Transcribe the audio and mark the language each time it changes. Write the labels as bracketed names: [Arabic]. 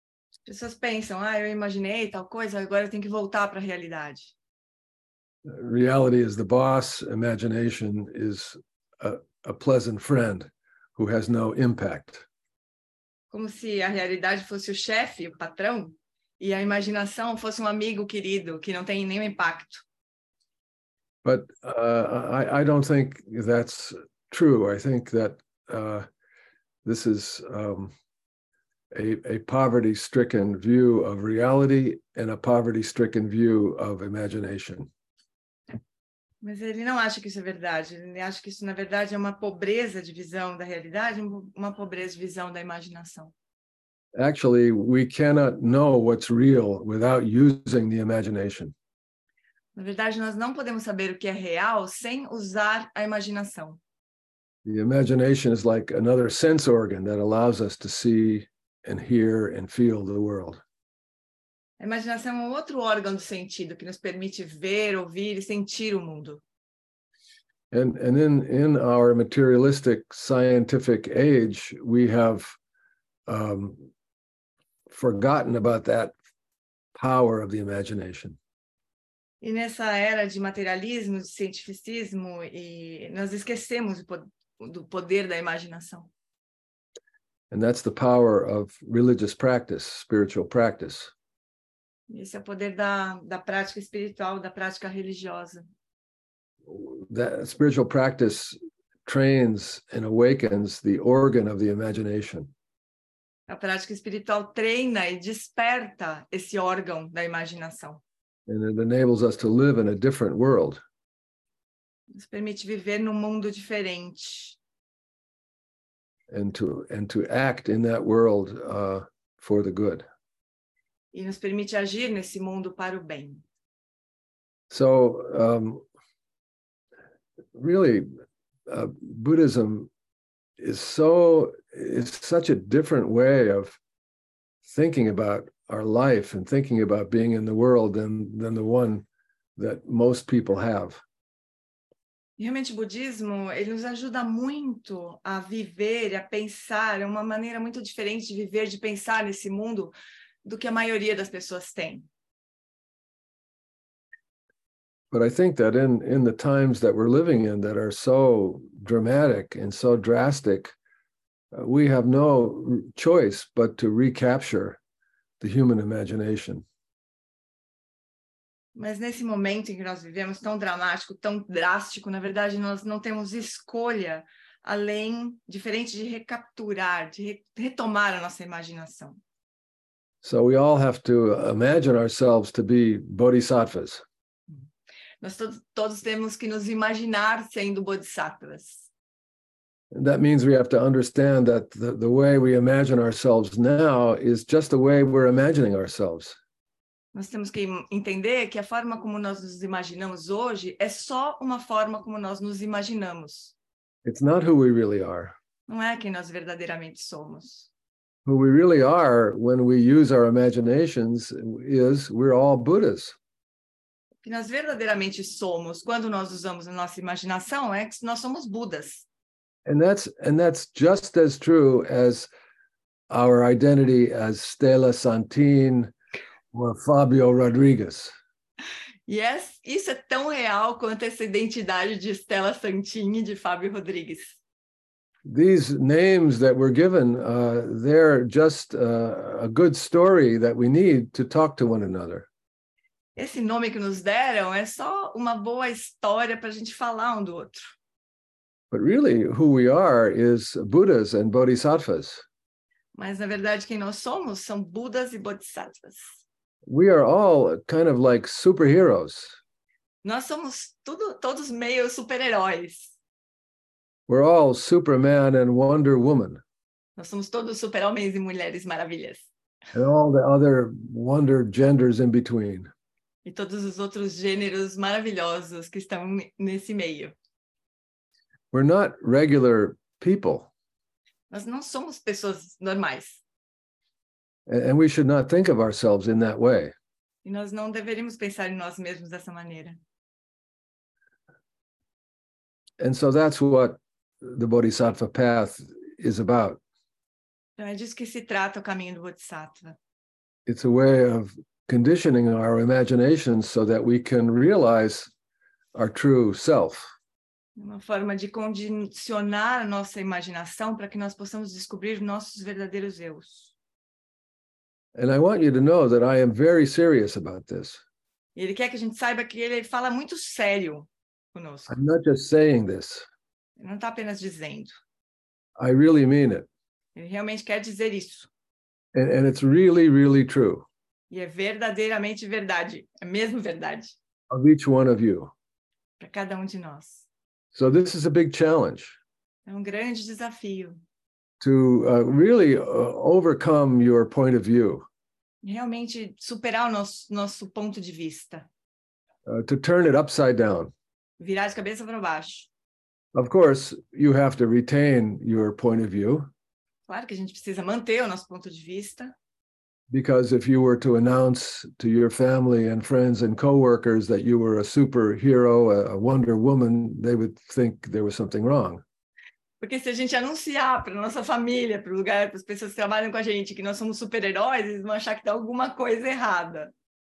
[Portuguese] As pessoas pensam, eu imaginei tal coisa, agora eu tenho que voltar para a realidade. [English] Reality is the boss, imagination is a pleasant friend who has no impact. [Portuguese] Como se a realidade fosse o chefe, o patrão, e a imaginação fosse amigo querido, que não tem nenhum impacto. [English] But I don't think that's true. I think that this is a poverty-stricken view of reality and a poverty-stricken view of imagination. [Portuguese] Mas ele não acha que isso é verdade. Ele acha que isso, na verdade, é uma pobreza de visão da realidade, uma pobreza de visão da imaginação. [English] Actually, we cannot know what's real without using the imagination. [Portuguese] Na verdade, nós não podemos saber o que é real sem usar a imaginação. [English] The imagination is like another sense organ that allows us to see and hear and feel the world. [Portuguese] A imaginação é um outro órgão do sentido que nos permite ver, ouvir e sentir o mundo. [English] And in our materialistic scientific age, we have forgotten about that power of the imagination. [Portuguese] E nessa era de materialismo, de cientificismo, e nós esquecemos do poder da imaginação. [English] And that's the power of religious practice, spiritual practice. [Portuguese] Esse é o poder da prática espiritual, da prática religiosa. [English] That spiritual practice trains and awakens the organ of the imagination. [Portuguese] A prática espiritual treina e desperta esse órgão da imaginação. [English] And it enables us to live in a different world. [Portuguese] Nos permite viver num mundo diferente. [English] And to act in that world for the good. [Portuguese] E nos permite agir nesse mundo para o bem. [English] So, really, Buddhism is such a different way of thinking about our life and thinking about being in the world than the one that most people have. [Portuguese] Realmente, o budismo, ele nos ajuda muito a viver, a pensar, é uma maneira muito diferente de viver, de pensar nesse mundo do que a maioria das pessoas tem. [English] But I think that in the times that we're living in that are so dramatic and so drastic, we have no choice but to recapture the human imagination. [Portuguese] Mas nesse momento em que nós vivemos, tão dramático, tão drástico, na verdade, nós não temos escolha além, diferente de recapturar, de retomar a nossa imaginação. [English] So we all have to imagine ourselves to be bodhisattvas. [Portuguese] Nós todos temos que nos imaginar sendo bodhisattvas. [English] And that means we have to understand that the way we imagine ourselves now is just the way we're imagining ourselves. [Portuguese] Nós temos que entender que a forma como nós nos imaginamos hoje é só uma forma como nós nos imaginamos. [English] It's not who we really are. [Portuguese] Não é quem nós verdadeiramente somos. [English] Who we really are when we use our imaginations is we're all Buddhas. [Portuguese] O que nós verdadeiramente somos quando nós usamos a nossa imaginação é que nós somos Budas. [English] And that's just as true as our identity as Stella Santin or Fabio Rodriguez. Yes, [Portuguese] isso é tão real quanto essa identidade de Stella Santin e de Fabio Rodriguez. [English] These names that we're given, they're just a good story that we need to talk to one another. [Portuguese] Esse nome que nos deram é só uma boa história para a gente falar do outro. [English] But really, who we are is Buddhas and Bodhisattvas. [Portuguese] Mas na verdade, quem nós somos são Budas e Bodhisattvas. [English] We are all kind of like superheroes. [Portuguese] Nós somos todos meio super-heróis. [English] We're all Superman and Wonder Woman. [Portuguese] Nós somos todos super-homens e mulheres maravilhas. [English] And all the other wonder genders in between. [Portuguese] E todos os outros gêneros maravilhosos que estão nesse meio. [English] We're not regular people. [Portuguese] Nós não somos pessoas normais. [English] And we should not think of ourselves in that way. [Portuguese] E nós não deveríamos pensar em nós mesmos dessa maneira. [English] And so that's what the Bodhisattva path is about. [Portuguese] Então é disso que se trata o caminho do Bodhisattva. [English] It's a way of conditioning our imaginations so that we can realize our true self. [Portuguese] Uma forma de condicionar a nossa imaginação para que nós possamos descobrir nossos verdadeiros eus. [English] And I want you to know that I am very serious about this. [Portuguese] Ele quer que a gente saiba que ele fala muito sério conosco. [English] I'm not just saying this. [Portuguese] Ele não está apenas dizendo. [English] I really mean it. [Portuguese] Ele realmente quer dizer isso. [English] And it's really, really true. [Portuguese] E é verdadeiramente verdade. É mesmo verdade. [English] Of each one of you. [Portuguese] Para cada de nós. [English] So this is a big challenge. [Portuguese] É grande desafio. [English] To really overcome your point of view. [Portuguese] Realmente superar o nosso ponto de vista. [English] To turn it upside down. [Portuguese] Virar de cabeça para baixo. [English] Of course, you have to retain your point of view. [Portuguese] Claro que a gente precisa manter o nosso ponto de vista. [English] Because if you were to announce to your family and friends and coworkers that you were a superhero, a Wonder Woman, they would think there was something wrong. [Portuguese] Porque se a gente anunciar para nossa família, para o lugar, para as pessoas que trabalham com a gente, que nós somos super-heróis, eles vão achar que está alguma coisa errada.